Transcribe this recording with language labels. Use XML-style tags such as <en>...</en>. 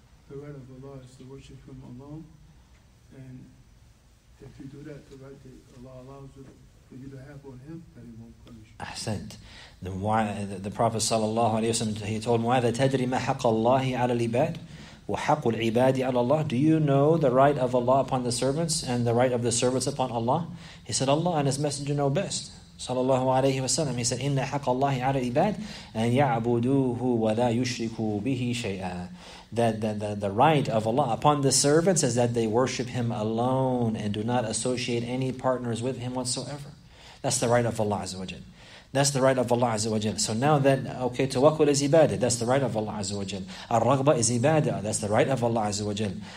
<en>The right of Allah is to worship Him alone, and if you do that, the right that Allah allows for you to have on Him, that He won't punish you.</en> <ar>Ahsant.</ar> <en>The Prophet sallallahu alayhi wa sallam, he told Mu'adh,</en> <ar>تَدْرِ مَا حَقَ اللَّهِ عَلَى الْعِبَادِ وَحَقُّ الْعِبَادِ عَلَى اللَّهِ.</ar> <en>Do you know the right of Allah upon the servants and the right of the servants upon Allah? He said, Allah and His Messenger know best.</en> <ar>Sallallahu alayhi wa sallam.</ar> <en>He said,</en> <ar>إِنَّ حَقَ اللَّهِ عَلَى الْعِبَادِ أَنْ يَعْبُدُوهُ وَلَا يُشْرِكُوا بِهِ شَيْئًا.</ar> <en>That the right of Allah upon the servants is that they worship Him alone and do not associate any partners with Him whatsoever. That's the right of Allah Azza wa Jal. That's the right of Allah Azza wa Jal. So now that, okay, tawakkul is ibadah. That's the right of Allah Azza wa Jal. Al-raghba is ibadah. That's the right of Allah Azza wa Jal.</en>